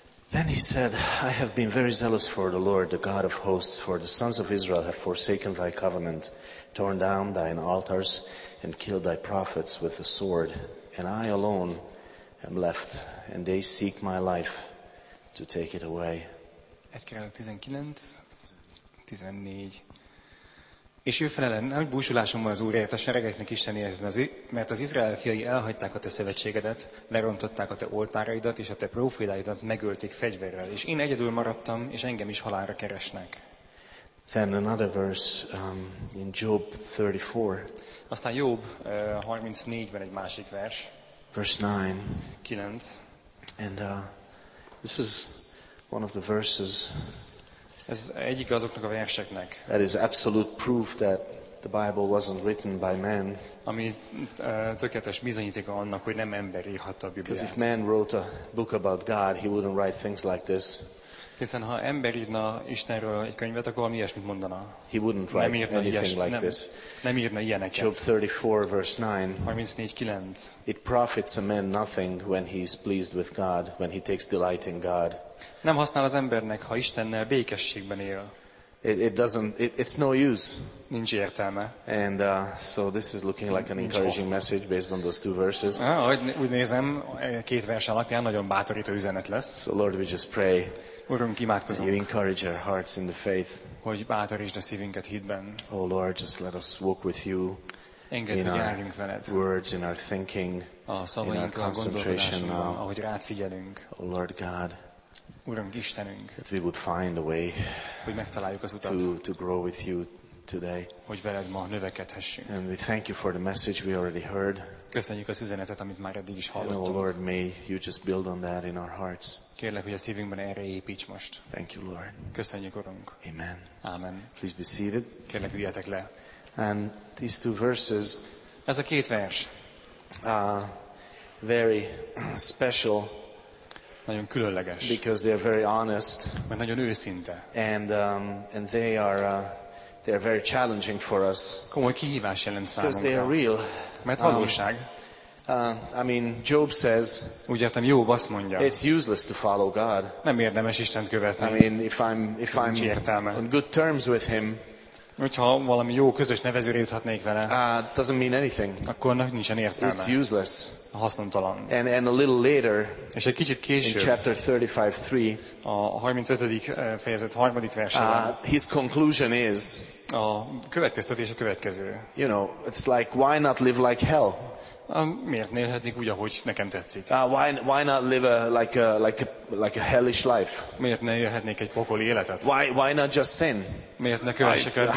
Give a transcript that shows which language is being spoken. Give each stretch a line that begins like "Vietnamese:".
English: Then he said, I have been very zealous for the Lord, the God of hosts, for the sons of Israel have forsaken thy covenant, torn down thine altars, and killed thy prophets with the sword. And I alone am left, and they seek my life to take it away. 19:14.
Hungarian: És ő felele, nagy búsulásom van az Úrért, a seregeknek Istenért, mert az Izrael fiai elhagyták a te szövetségedet, lerontották a te oltáraidat, és a te prófédáidat megölték fegyverrel, és én egyedül maradtam, és engem is halálra keresnek.
English: Then another verse in Job 34.
Hungarian: Aztán Job 34-ben egy másik vers.
English: Verse 9. 9. And this is one of the verses.
Hungarian: Ez egyik azoknak a verseknek.
English: That is absolute proof that the Bible wasn't written by man.
Hungarian: Ami tökéletes bizonyítéka annak, hogy nem ember írhatta a Bibliát.
English: Because if man wrote a book about God, he wouldn't write things like this.
Hungarian: Hiszen ha ember írna Istenről egy könyvet, akkor mi ilyesmit mondana?
English: He wouldn't write anything like this.
Hungarian: Nem írna ilyeneket.
English: Job 34, verse 9. 34:9. It profits a man nothing when he is pleased with God, when he takes delight in God.
Hungarian: Nem használ az embernek, ha Istennel békességben él.
English: It's no use.
Hungarian: Nincs értelme.
English: And so this is looking like an encouraging message based on those two verses.
Hungarian: Úgy nézem, két vers alapján nagyon bátorító üzenet lesz.
English: So Lord, we just pray.
Hungarian: Urunk, imádkozunk.
English: You encourage our hearts in the faith.
Hungarian: Hogy bátorítsd a szívünket hitben.
English: Oh Lord, just let us walk with you.
Hungarian: Engedj, hogy járjunk veled.
English: Words in our thinking.
Hungarian: A szavainkban, a gondolkodásunkban, ahogy rád figyelünk.
English: Oh Lord God.
Hungarian: Urunk, Istenünk.
English: That we would find a way.
Hungarian: Hogy megtaláljuk az utat.
English: To grow with you today.
Hungarian: Hogy veled ma növekedhessünk.
English: And we thank you for the message we already heard.
Hungarian: Köszönjük az üzenetet, amit már eddig is hallottunk.
English: And oh Lord, may you just build on that in our hearts.
Hungarian: Kérlek, hogy a szívünkben erre építs most.
English: Thank you, Lord.
Hungarian: Köszönjük, Urunk.
English: Amen.
Hungarian: Amen.
English: Please be seated.
Hungarian: Kérlek, üljetek le.
English: And these two verses.
Hungarian: Ez a két vers.
English: Very special.
Hungarian: Nagyon különleges.
English: Because they are very honest.
Hungarian: Mert nagyon őszinte.
English: And they are very challenging for us.
Hungarian: Komoly kihívás jelent számunkra.
English: Because they are real.
Hungarian: Mert valóság.
English: I mean, Job says.
Hungarian: Úgy értem, Job azt mondja.
English: It's useless to follow God.
Hungarian: Nem érdemes Istent követni.
English: I mean, if I'm on good terms with him.
Hungarian: Hogyha valami jó közös nevezőre juthatnék vele.
English: Doesn't mean anything.
Hungarian: Akkor annak nincsen értelme.
English: It's useless.
Hungarian: Hasznontalan.
English: And a little later.
Hungarian: És egy kicsit később.
English: In chapter 35:3.
Hungarian: A 35. fejezet 3. versében.
English: His conclusion is.
Hungarian: A következtetés a következő.
English: You know, it's like why not live like hell?
Hungarian: Miért élhetnék úgy, ahogy nekem tetszik?
English: Why not live a hellish life?
Hungarian: Miért ne élhetnék egy pokoli életet?
English: Why not just sin?
Hungarian: Miért ne kövessek el bűnt